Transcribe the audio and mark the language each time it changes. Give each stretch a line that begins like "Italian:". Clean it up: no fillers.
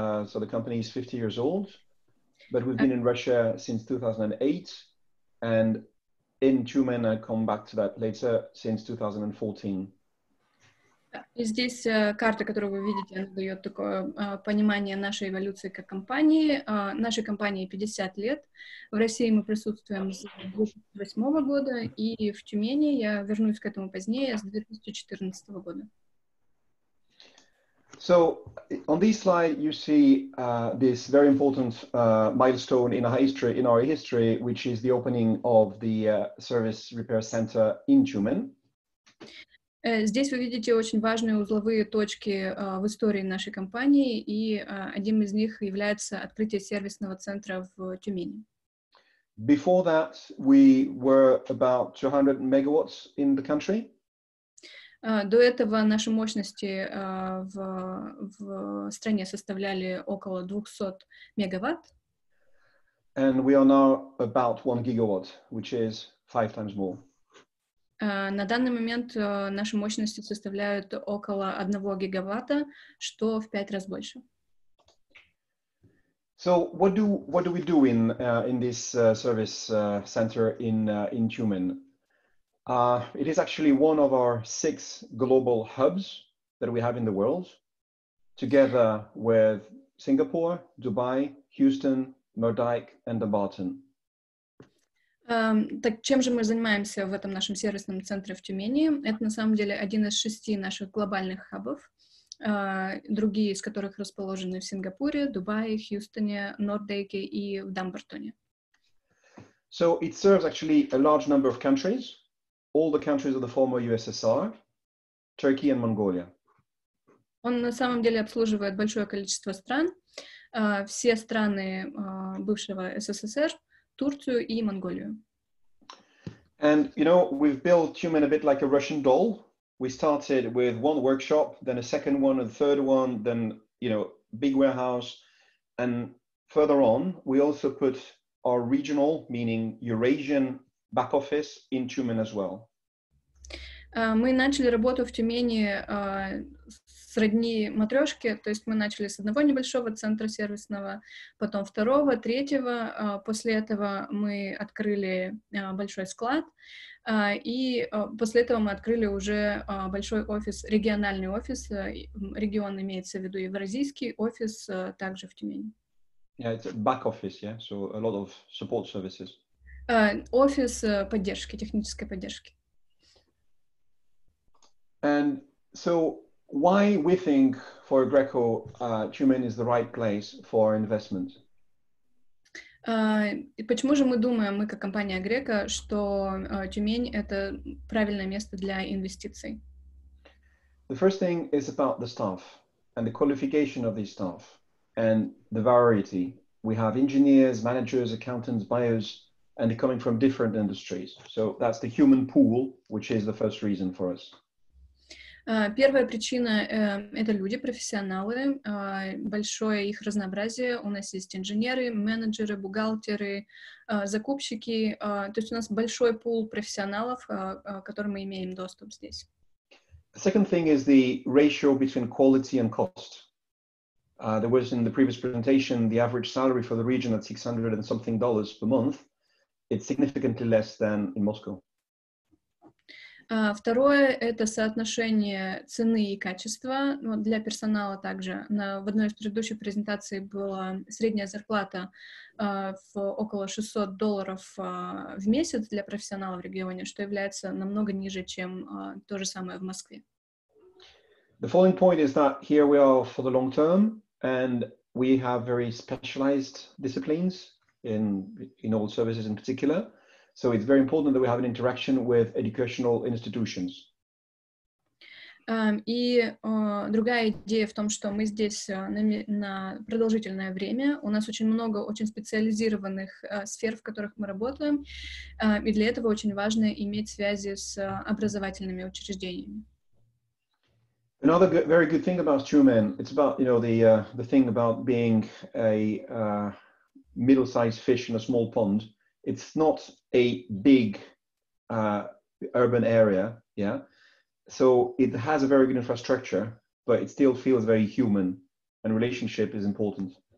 English: So the company is 50 years old, but we've been in Russia since 2008, and in Tumen, I'll come back to that later, since 2014.
Russian: И здесь карта, которую вы видите, она дает такое понимание нашей эволюции как компании. Нашей компании 50 лет. В России мы присутствуем с 2008 года, и в Тюмени, я вернусь к этому позднее, с 2014 года.
English: So, on this slide you see this very important milestone in our history, which is the opening of the service repair center in Tumen.
Russian: Здесь вы видите очень важные узловые точки в истории нашей компании, и одним из них является открытие сервисного центра в Тюмени.
English: Before that, we were about 200 megawatts in the country.
Russian: До этого наши мощности в стране составляли около 200 мегаватт.
English: And we are now about 1 gigawatt, which is 5 times more.
Russian: На данный момент наши мощности составляют около 1 гигаватта, что в 5 раз больше.
English: So what do we do in this service center in Tumen? It is actually one of our 6 global hubs that we have in the world, together with Singapore, Dubai, Houston, Mordyke and Dumbarton.
Russian: Так чем же мы занимаемся в этом нашем сервисном центре в Тюмени? Это на самом деле один из 6 наших глобальных хабов, другие из которых расположены в Сингапуре, Дубае, Хьюстоне, Нордейке и в Дамбартоне.
English: So it serves actually a large number of countries, all the countries of the former USSR, Turkey and Mongolia.
Russian: Он на самом деле обслуживает большое количество стран, все страны бывшего СССР, Турцию и Монголию.
English: And, you know, we've built Tumen a bit like a Russian doll. We started with one workshop, then a second one, a third one, then, you know, big warehouse. And further on, we also put our regional, meaning Eurasian, back office in Tumen as well.
Russian: Мы начали работу в Тюмени сродни матрешке, то есть мы начали с одного небольшого центра сервисного, потом второго, третьего, после этого мы открыли большой склад, после этого мы открыли уже большой офис, региональный офис, регион имеется в виду евразийский офис также в Тюмени.
English: Yeah, it's a back office, yeah, so a lot of support services.
Russian: Офис поддержки, технической поддержки.
English: And so why we think for Aggreko Tumen is the right place for investment?
Russian: Почему же мы думаем, мы как компания Aggreko, что Тюмень это правильное место для инвестиций?
English: The first thing is about the staff and the qualification of these staff and the variety. We have engineers, managers, accountants, buyers, and they're coming from different industries. So that's the human pool, which is the first reason for us.
Russian: Первая причина — это люди, профессионалы, большое их разнообразие. У нас есть инженеры, менеджеры, бухгалтеры, закупщики. То есть у нас большой пул профессионалов, к которым мы имеем доступ здесь.
English: Second thing is the ratio between quality and cost. There was in the previous presentation the average salary for the region at $600 and something per month. It's significantly less than in Moscow.
Russian: Второе — это соотношение цены и качества. Ну, для персонала также. В одной из предыдущих презентаций была средняя зарплата в около $600 в месяц для профессионала в регионе, что является намного ниже, чем то же самое в Москве.
English: The following point is that here we are for the long term, and we have very specialized disciplines in all services in particular. So it's very important that we have an interaction with educational institutions.
Russian: Другая идея в том, что мы здесь на продолжительное время. У нас очень много очень специализированных сфер, в которых мы работаем. И для этого очень важно иметь связи с образовательными учреждениями.
English: Another very good thing about Tumen, it's about, you know, the thing about being a middle-sized fish in a small pond. It's not a big urban area, yeah. So it has a very good infrastructure, but it still feels very human, and relationship is important.